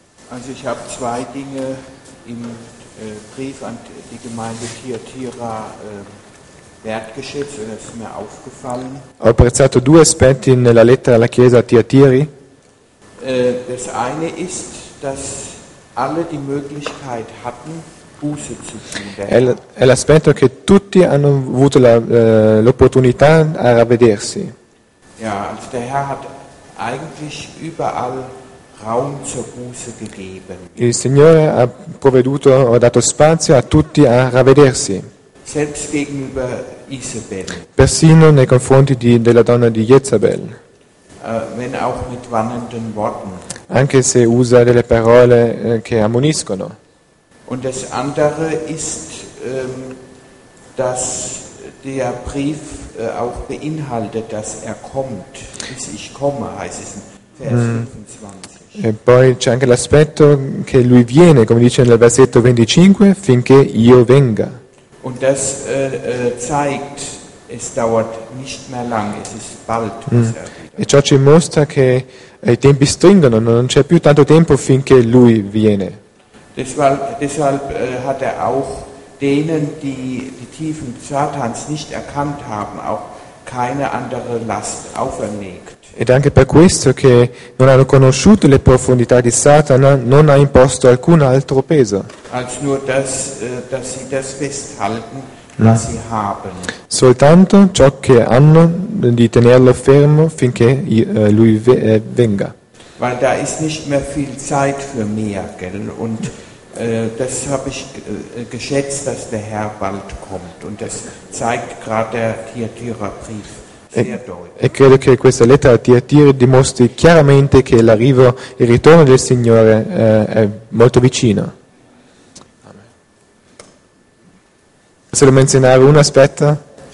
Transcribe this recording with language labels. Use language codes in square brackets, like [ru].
[de] Also ich habe zwei Dinge im Brief an die Gemeinde Thyatira wertgeschätzt, das ist mir aufgefallen. [it] Ho apprezzato due aspetti nella lettera alla chiesa Thyatira. [de] Das eine ist, dass alle die Möglichkeit hatten, Buße zu tun. [it] È l'aspetto che tutti hanno avuto l'opportunità a ravvedersi. [de] Ja, also der Herr hat eigentlich überall Raum zur Buße gegeben. [it] Il Signore ha provveduto, ha dato spazio a tutti a ravvedersi. [de] Selbst gegenüber Isabel. [it] Persino nei confronti della donna di Jezabel. [de] Wenn auch mit warnenden Worten. [it] Anche se usa delle parole che ammoniscono. [de] Und das andere ist, dass der Brief auch beinhaltet, dass er kommt. Ich komme, heißt es in Vers 25. [it] E poi c'è anche l'aspetto che lui viene, come dice nel versetto 25, finché io venga. [de] Und das zeigt, es dauert nicht mehr lang, es ist bald. [it] E ciò ci mostra che i tempi stringono, non c'è più tanto tempo finché lui viene. [de] Deshalb hat er auch denen, die die Tiefen Satans nicht erkannt haben, auch keine andere Last auferlegt. [it] Ed anche per questo che non hanno conosciuto le profondità di Satana, non ha imposto alcun altro peso. [de] Als nur das, dass sie das festhalten, was sie haben. [it] Soltanto ciò che hanno di tenerlo fermo finché lui venga. [de] Weil da ist nicht mehr viel Zeit für mehr, gell? Und das habe ich geschätzt, dass der Herr bald kommt. Und das zeigt gerade der Thyatira-Brief. [it] E credo che questa lettera a Thyatira dimostri chiaramente che l'arrivo, il ritorno del Signore è molto vicino. Posso menzionare un aspetto?